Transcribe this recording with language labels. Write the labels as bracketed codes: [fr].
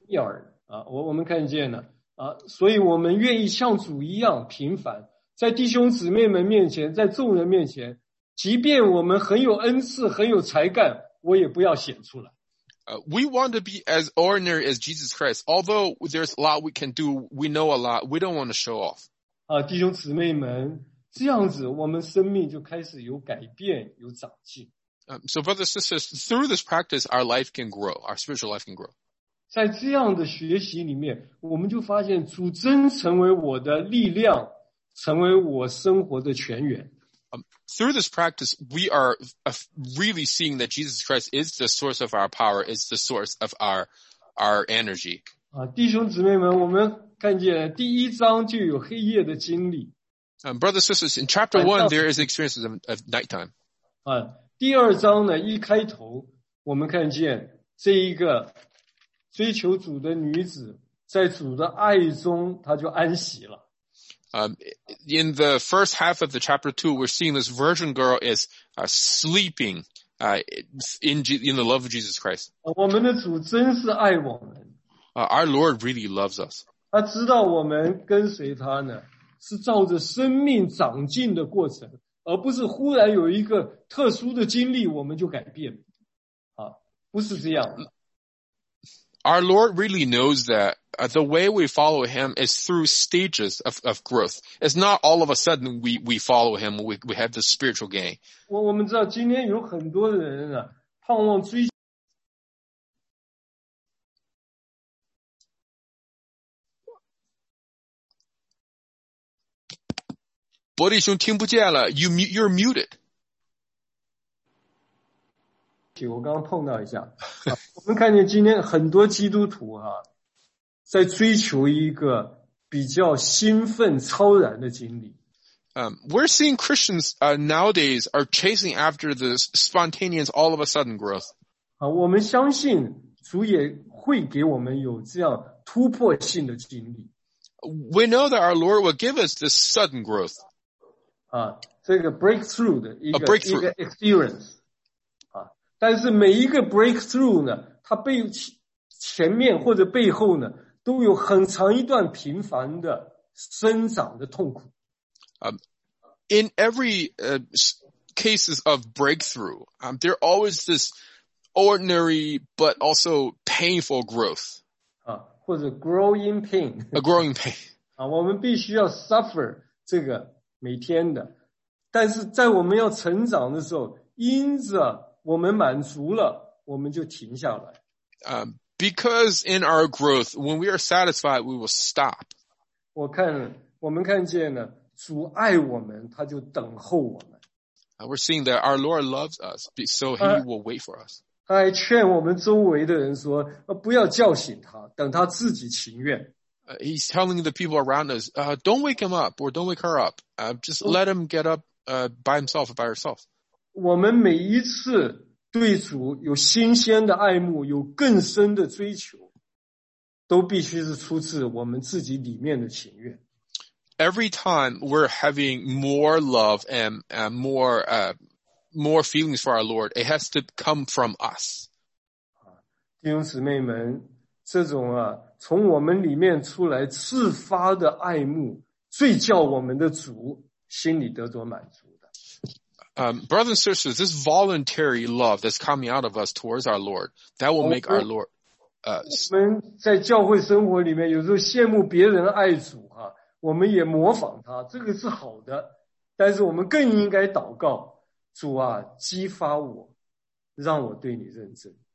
[zh] Vineyard. 我们看见了所以我们愿意像主一样平凡，在弟兄姊妹们面前，在众人面前，即便我们很有恩赐，很有才干，我也不要显出来。 [en] We want to be as ordinary as Jesus Christ. Although there's a lot we can do, we know a lot, we don't want to show off. [zh] 弟兄姊妹们，这样子我们生命就开始有改变，有长进。 [en] So brothers and sisters, through this practice, our life can grow, our spiritual life can grow. [zh] 在这样的学习里面，我们就发现主真成为我的力量，成为我生活的泉源。 [en] Through this practice, we are really seeing that Jesus Christ is the source of our power, is the source of our energy. [zh] 弟兄姊妹们，我们看见第一章就有黑夜的经历。 [en] Brothers and sisters, in chapter 1, there is experiences of nighttime. [zh] 第二章呢，一开头，我们看见这一个追求主的女子，在主的爱中，她就安息了。 [en] In the first half of the chapter 2, we're seeing this virgin girl is sleeping in the love of Jesus Christ. [zh] 我们的主真是爱我们。 [en] Our Lord really loves us. [zh] 他知道我们跟随他呢，是照着生命长进的过程，而不是忽然有一个特殊的经历我们就改变。不是这样的。 [en] Our Lord really knows that the way we follow Him is through stages of growth. It's not all of a sudden we follow Him, we have this spiritual gain. [zh] 我们知道今天有很多人啊，盼望追求。伯弟兄听不见了， [en] you're muted. [zh] 我刚刚碰到一下。我们看见今天很多基督徒啊，在追求一个比较兴奋超然的经历。 [en] We're seeing Christians nowadays are chasing after this spontaneous all of a sudden growth. [zh] 我们相信主也会给我们有这样突破性的经历。 [en] We know that our Lord will give us this sudden growth. [zh] 这个 breakthrough 的一个 [en] breakthrough. [zh] 一个 experience。但是每一个 breakthrough 呢，它背前面或者背后呢，都有很长一段频繁的生长的痛苦。 [en] In every cases of breakthrough, there always this ordinary but also painful growth. 或者 growing pain. A growing pain. [zh] 我们必须要 suffer 这个每天的，但是在我们要成长的时候，因着我们满足了，我们就停下来。 [en] Because in our growth, when we are satisfied, we will stop. [zh] 我们看见呢，主爱我们，他就等候我们。 [en] We're seeing that our Lord loves us, so He will wait for us. [zh] 他还劝我们周围的人说，不要叫醒他，等他自己情愿。 [en] He's telling the people around us, don't wake him up or don't wake her up. Just let him get up by himself or by herself. [zh] 我们每一次对主有新鲜的爱慕，有更深的追求，都必须是出自我们自己里面的情愿。 [en] Every time we're having more love and more feelings for our Lord, it has to come from us. [zh] 弟兄姊妹们，这种从我们里面出来自发的爱慕，最叫我们的主心里得着满足。 [en] Brothers and sisters, this voluntary love that's coming out of us towards our Lord, that will make our Lord, [zh] 我们在教会生活里面有时候羡慕别人爱主啊，我们也模仿他，这个是好的，但是我们更应该祷告，主啊，激发我，让我对你认真。